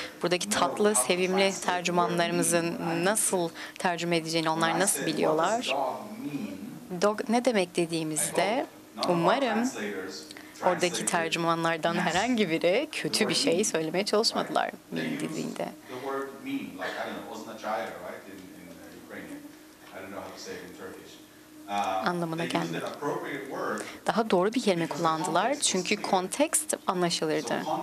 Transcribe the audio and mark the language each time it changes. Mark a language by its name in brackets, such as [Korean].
[Turkish] Buradaki tatlı, sevimli tercümanlarımızın nasıl tercüme edeceğini onlar nasıl biliyorlar? Dog ne demek dediğimizde umarım oradaki tercümanlardan herhangi biri kötü bir şey söylemeye çalışmadılar mean dediğinde. [English] Like, I don't know, Osnachaya, right? In Ukrainian. I don't know how to say it in Turkish. [Turkish] anlamına gelmedi. Daha doğru bir kelime kullandılar çünkü context anlaşılırdı.